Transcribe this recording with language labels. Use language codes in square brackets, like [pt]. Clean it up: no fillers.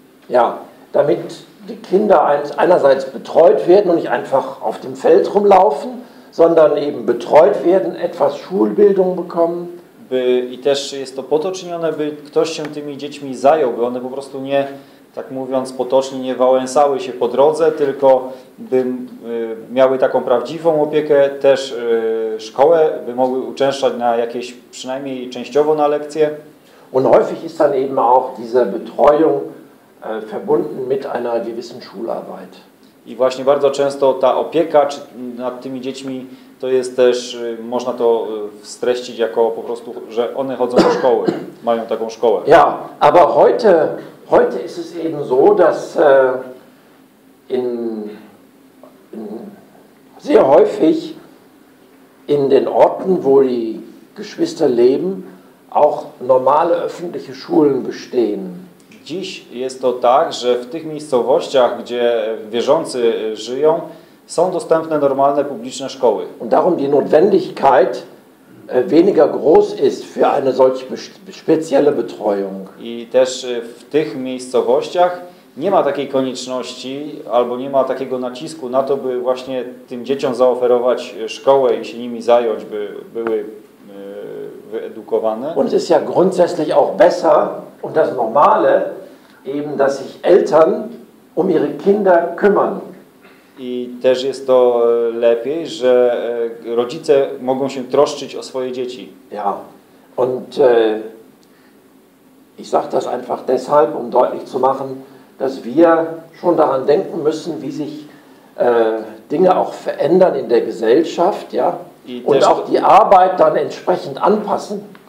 [de] Ja, damit die Kinder einerseits betreut werden und nicht einfach auf dem Feld rumlaufen, sondern eben betreut werden, etwas Schulbildung bekommen. [pl] I też jest to po to czynione, by ktoś się tymi dziećmi zajął, by one po prostu nie, tak mówiąc potocznie, nie wałęsały się po drodze, tylko by miały taką prawdziwą opiekę, też szkołę, by mogły uczęszczać na jakieś, przynajmniej częściowo na lekcje. [de] Und häufig ist dann eben auch diese Betreuung verbunden mit einer gewissen Schularbeit. [pl] I właśnie bardzo często ta opieka nad tymi dziećmi, to jest też, można to streścić jako po prostu, że one chodzą do szkoły, mają taką szkołę. [de] Ja, aber heute ist es eben so, dass in sehr häufig in den Orten, wo die Geschwister leben, auch normale öffentliche Schulen bestehen. [pl] Dziś jest to tak, że w tych miejscowościach, gdzie wierzący żyją, są dostępne normalne publiczne szkoły. [de] Und darum die Notwendigkeit weniger groß ist für eine solche spezielle Betreuung. [pl] I też w tych miejscowościach nie ma takiej konieczności albo nie ma takiego nacisku na to, by właśnie tym dzieciom zaoferować szkołę i się nimi zająć, by były wyedukowane. [de] Und es ist ja grundsätzlich auch besser und das Normale eben, dass sich Eltern um ihre Kinder kümmern. [pl] I też jest to lepiej, że rodzice mogą się troszczyć o swoje dzieci. [de] Ja. Und ich sag das einfach deshalb, um deutlich zu machen, dass wir schon daran denken müssen, wie sich Dinge auch verändern in der Gesellschaft, ja? Und auch die Arbeit dann entsprechend anpassen.